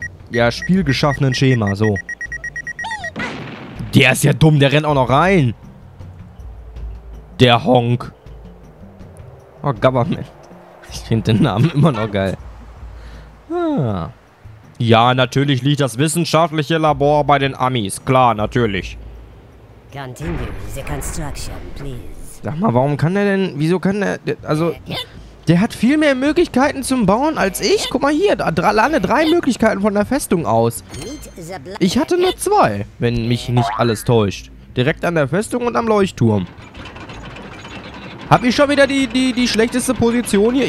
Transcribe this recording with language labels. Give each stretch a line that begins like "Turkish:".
German: Ja, spielgeschaffenen Schema, so. Der ist ja dumm, der rennt auch noch rein. Der Honk. Oh, Government. Ich finde den Namen immer noch geil. Ah. Ja, natürlich liegt das wissenschaftliche Labor bei den Amis. Klar, natürlich.
English: Continue the construction, please.
German: Sag mal, warum kann der denn... Wieso kann der... Also... Der hat viel mehr Möglichkeiten zum Bauen als ich. Guck mal hier, alleine drei Möglichkeiten von der Festung aus. Ich hatte nur zwei, wenn mich nicht alles täuscht. Direkt an der Festung und am Leuchtturm. Hab ich schon wieder die schlechteste Position hier?